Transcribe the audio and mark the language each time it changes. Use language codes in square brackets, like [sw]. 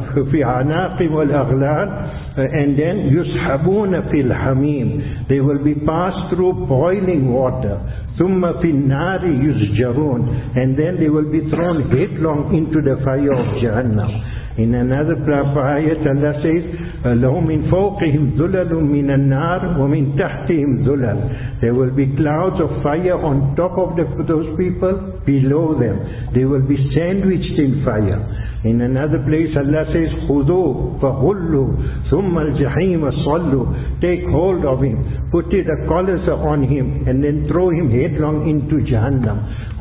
[ar] في أعناقهم الأغلال, [en] and then [ar] يسحبون في الحميم, [en] they will be passed through boiling water. [ar] ثم في النار يسجرون, [en] and then they will be thrown headlong into the fire of Jahannam. In another ayat Allah says, [ar] لهم من فوقهم ذلل من النار ومن تحتهم ذلل. [en] There will be clouds of fire on top of those people, below them. They will be sandwiched in fire. In another place Allah says, [ar] خذوا فغلوا ثم الجحيم صلوا. [en] Take hold of him, put a collar on him, and then throw him headlong into Jahannam.